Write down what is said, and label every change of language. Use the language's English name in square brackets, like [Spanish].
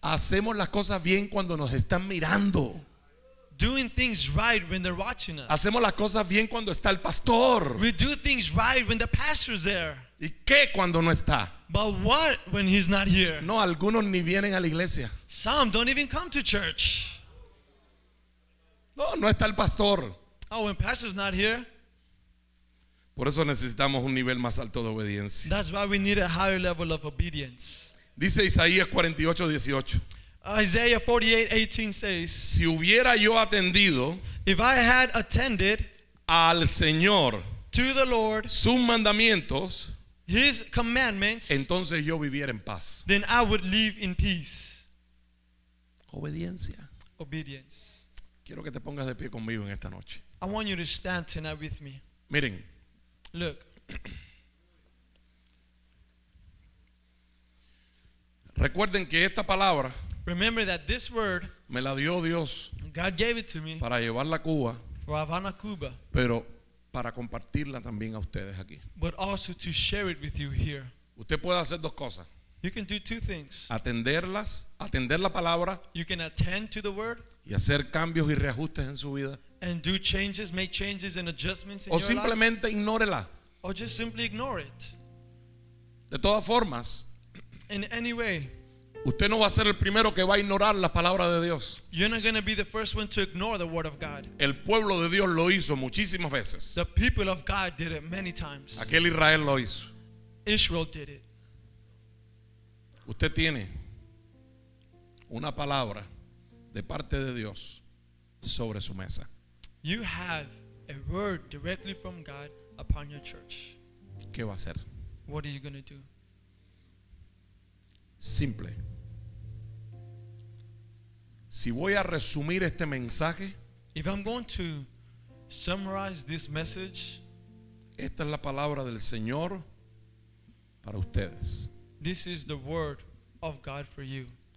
[Spanish] Hacemos las cosas bien cuando nos están mirando. [English] Doing things right when they're watching us. [Spanish] Hacemos las cosas bien cuando está el pastor. [English] We do things right when the pastor's there. [Spanish] ¿Y qué cuando no está? [English] But what when he's not here? [Spanish] No, algunos ni vienen a la iglesia. [English] Some don't even come to church. [Spanish] No, no está el pastor. [English] Oh, when pastor's not here. [Spanish] Por eso necesitamos un nivel más alto de obediencia. [English] That's why we need a higher level of obedience. [Spanish] Dice Isaías 48:18. [English] Isaiah 48:18 says, [Spanish] si hubiera yo atendido, [English] if I had attended, [Spanish] al Señor, [English] to the Lord, [Spanish] sus mandamientos, [English] his commandments, [Spanish] entonces yo viviera en paz. [English] Then I would live in peace. [Spanish] Obediencia. [English] Obedience. [Spanish] Quiero que te pongas de pie conmigo en esta noche. [English] I want you to stand tonight with me. [Spanish] Miren, [English] Look. [Spanish] Recuerden que esta palabra, [English] remember that this word, [Spanish] me la dio Dios, [English] God gave it to me, [Spanish] para llevarla a Cuba, [English] for Havana, Cuba, [Spanish] pero para compartirla también a ustedes aquí. [English] But also to share it with you here. [Spanish] Usted puede hacer dos cosas. [English] You can do two things. [Spanish] Atenderlas, atender la palabra, [English] you can attend to the word, [Spanish] y hacer cambios y reajustes en su vida, [English] and do changes, make changes and adjustments in your life. [Spanish] O simplemente ignórela. [English] Or just simply ignore it. [Spanish] De todas formas, [English] in any way, [Spanish] usted no va a ser el primero que va a ignorar la palabra de Dios. [English] You're not going to be the first one to ignore the word of God. [Spanish] El pueblo de Dios lo hizo muchísimas veces. [English] The people of God did it many times. [Spanish] Aquel Israel lo hizo. [English] Israel did it. [Spanish] Usted tiene una palabra de parte de Dios sobre su mesa. [English] You have a word directly from God upon your church. [Spanish] ¿Qué va a hacer? [English] What are you going to do? [Spanish] Simple. Si voy a resumir este mensaje, [English] if I'm going to summarize this message, [Spanish] esta es la palabra del Señor para ustedes. [English] This is the word of God for you.